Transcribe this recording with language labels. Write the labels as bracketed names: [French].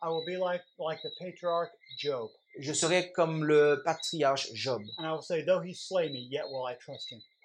[English] I will be like the patriarch Job. [French] Je serai comme le patriarche Job. [English] And I will say, though he slay me, yet will I trust him.